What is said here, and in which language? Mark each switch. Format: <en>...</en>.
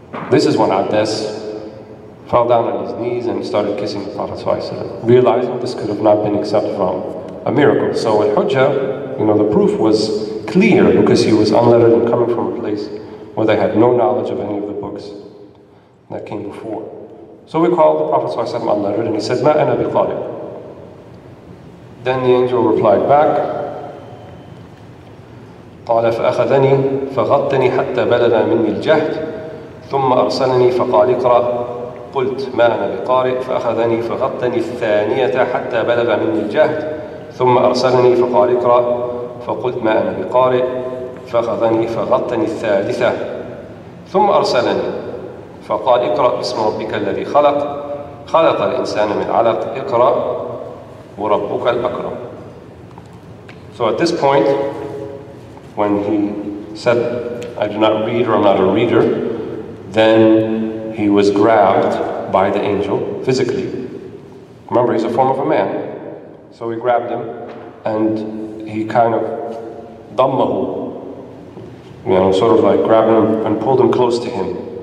<en>This is when Abdes fell down on his knees and started kissing the Prophet Sallallahu Alaihi Wasallam, realizing this could have not been except from a miracle. So at Hujjah, you know, the proof was clear because he was unlettered and coming from a place where they had no knowledge of any of the books that came before. So we called the Prophet Sallallahu Alaihi Wasallam unlettered and he said,</en> <ar>Ma ana bi qari'.</ar> <en>Then the angel replied back,</en> <ar>قَالَ فَأَخَذَنِي فَغَطَّنِي حَتَّى بَلَغَ مِنِّي الْجَهْدِ ثُمَّ أَرْسَلَنِي فَقَالِ اقْرَأْ قُلْتْ مَا أَنَا بِقَارِئْ فَأَخَذَنِي فَغَطَّنِي الثَّانِيَةَ حَتَّى بَلَغَ مِنِّي الْجَهْدِ ثُمَّ أَرْسَلَنِي فَقَالِ اقْرَأْ فَقُلْتْ مَا أَنَا بِقَارِئْ فَأَخَذَنِي فَغَطَّنِي الثَّالِثَةَ ثُمَّ أَرْسَلَنِي فَقَالَ اقْرَأْ بِاسْمِ رَبِّكَ الَّذِي خَلَقَ خَلَقَ الْإِنْسَانَ مِنْ عَلَقٍ اقْرَأْ وَرَبُّكَ الْأَكْرَمُ.</ar> <en>So at this point, when he said, I do not read or I'm not a reader, then he was grabbed by the angel physically. Remember, he's a form of a man. So he grabbed him and he kind of dammahu, you know, sort of like grabbed him and pulled him close to him.</en>